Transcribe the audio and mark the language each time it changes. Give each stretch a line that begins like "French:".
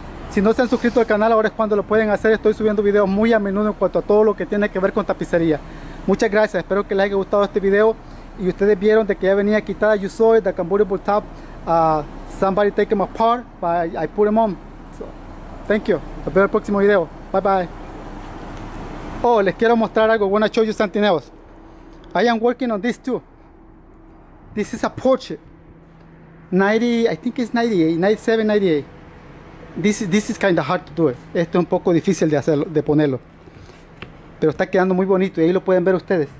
Spanish: Si no se han suscrito al canal, ahora es cuando lo pueden hacer. Estoy subiendo videos muy a menudo en cuanto a todo lo que tiene que ver con tapicería. Muchas gracias. Espero que les haya gustado este video. Y ustedes vieron de que ya venía quitada.
English: You saw it, the convertible top. Somebody take them apart, but I put them on. So, thank you.
Spanish: Nos vemos en el próximo video.
English: Bye bye. Oh,
Spanish: les quiero mostrar algo.
English: I want to show you something else. I am working on this too. This is a Porsche. 90, I think it's 98, 97, 98. This is kind of hard to do it.
Spanish: Esto es un poco difícil de hacerlo, de ponerlo. Pero está quedando muy bonito. Y ahí lo pueden ver ustedes.